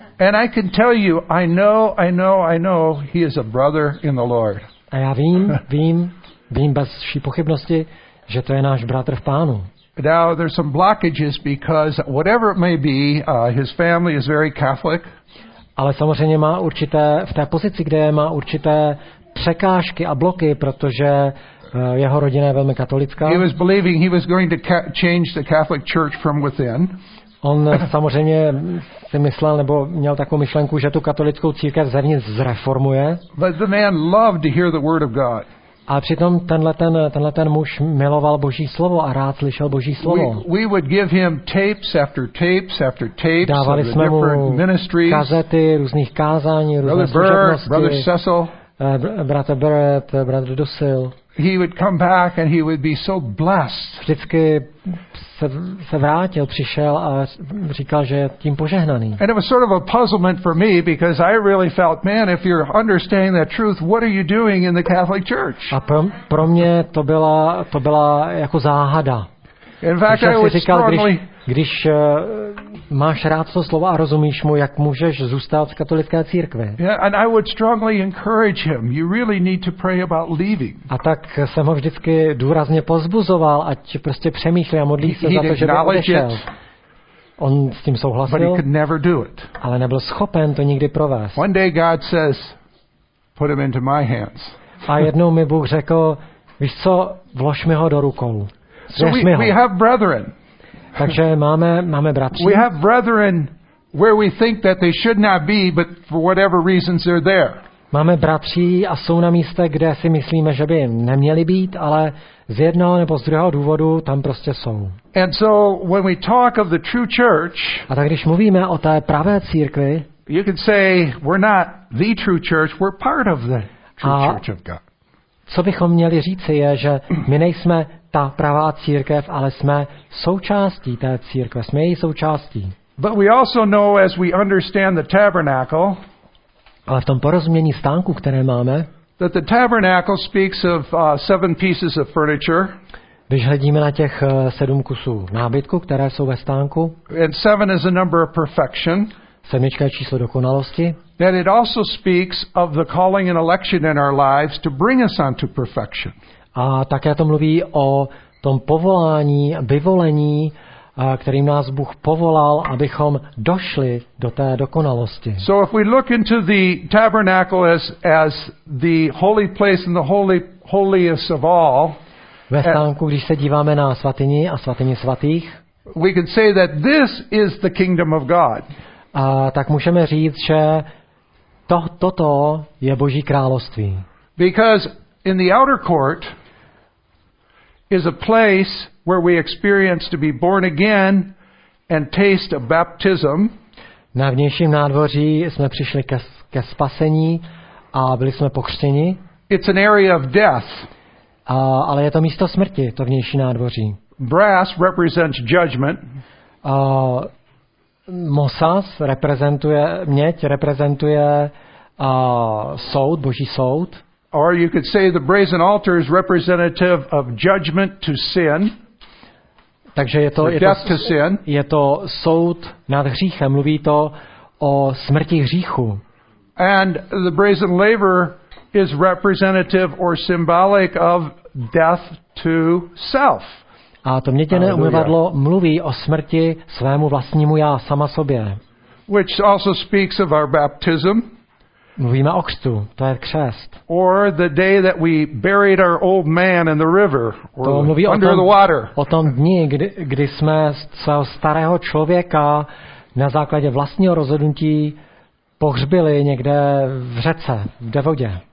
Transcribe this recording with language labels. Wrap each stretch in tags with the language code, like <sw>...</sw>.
<en>And I can tell you, I know he is a brother in the Lord.</en> <cs>A já vím bez vší pochybnosti, že to je náš bratr v Pánu.</cs> <en>Now there's some blockages because whatever it may be, his family is very Catholic.</en> <cs>Ale samozřejmě má určité v té pozici, kde má určité překážky a bloky, protože jeho rodina je velmi katolická.</cs> <en>He was believing he was going to change the Catholic Church from within.</en> <cs>On samozřejmě si myslel, nebo měl takovou myšlenku, že tu katolickou církev zevnitř zreformuje.</cs> <en>But the man loved to hear the word of God.</en> <cs>A přitom tenhle ten muž miloval Boží slovo a rád slyšel Boží slovo.</cs> <en>We would give him tapes after tapes after tapes.</en> <cs>Dávali jsme mu kazety různých kázání, různé služebnosti.</cs> <en>Brother Cecil. Brother Barrett, brother Dusil. He would come back and he would be so blessed.</en> <cs>Vždycky se vrátil, přišel a říkal, že je tím požehnaný.</cs> <en>And it was sort of a puzzlement for me because I really felt, man, if you're understanding that truth, what are you doing in the Catholic Church?</en> <cs>A pro mě to byla jako záhada.</cs> <en>In fact, I would říkal, strongly,</en> <cs>když máš rád to slovo a rozumíš mu, jak můžeš zůstat v katolické církvi.</cs> <en>Yeah, and I would strongly encourage him. You really need to pray about leaving.</en> <cs>A tak jsem ho vždycky důrazně pozbuzoval, ať prostě přemýšlí a modlí se za to, že by odešel. On s tím souhlasil.</cs> <en>But he could never do it.</en> <cs>Ale nebyl schopen to nikdy provést.</cs> <en>One day God says, put him into my hands.</en> <cs>A jednou mi Bůh řekl, víš co, vlož mi ho do rukou.</cs> <en>So we have brethren.</en> <cs>Takže máme bratři.</cs> <en>We have brethren where we think that they should not be, but for whatever reasons they're there.</en> <cs>Máme bratři a jsou na místě, kde si myslíme, že by neměli být, ale z jednoho nebo z druhého důvodu tam prostě jsou.</cs> <en>And so when we talk of the true church,</en> <cs>a tak když mluvíme o té pravé církvi,</cs> <en>you can say we're not the true church, we're part of the true church of God.</en> <cs>Co bychom měli říci je, že my nejsme ta pravá církev, ale jsme součástí té církve, jsme její součástí.</cs> <en>But we also know, as we understand the tabernacle,</en> <cs>ale v tom porozumění stánku, které máme,</cs> <en>that the tabernacle speaks of seven pieces of furniture.</en> <cs>Když hledíme na těch sedm kusů nábytku, které jsou ve stánku,</cs> <en>and seven is a number of perfection.</en> <cs>Sedmička je číslo dokonalosti.</cs> <en>That it also speaks of the calling and election in our lives to bring us unto perfection.</en> <cs>A také to mluví o tom povolání, vyvolení, kterým nás Bůh povolal, abychom došli do té dokonalosti.</cs> <en>So if we look into the tabernacle as the holy place and the holiest of all.</en> <cs>Ve stánku, když se díváme na svatyni a svatyni svatých,</cs> <en>we can say that this is the kingdom of God.</en> <cs>A tak můžeme říct, že toto je Boží království.</cs> <en>Because in the outer court is a place where we experience to be born again and taste a baptism.</en> <cs>Na vnějším nádvoří jsme přišli ke spasení a byli jsme pokřtěni.</cs> <en>It's an area of death.</en> <cs>Ale je to místo smrti, to vnější nádvoří.</cs> <en>Brass represents judgment.</en> <cs>Mosas reprezentuje, měď reprezentuje soud, Boží soud.</cs> <en>Or you could say the brazen altar is representative of judgment to sin.</en> <cs>Takže je to</cs> <en>death to sin.</en> <cs>Je to soud nad hříchem, mluví to o smrti hříchu.</cs> <en>And the brazen laver is representative or symbolic of death to self.</en> <cs>A to měděné umyvadlo mluví o smrti svému vlastnímu já, sama sobě.</cs> <en>Which also speaks of our baptism.</en> <cs>Mluvíme o křtu, to je křest.</cs> <en>Or the day that we buried our old man in the river or</en> <cs>to mluví</cs> <en>under</en> <cs>o tom,</cs> <en>the water.</en> <cs>O tom dni, kdy jsme svého starého člověka na základě vlastního rozhodnutí pohřbili někde v řece, ve vodě.</cs>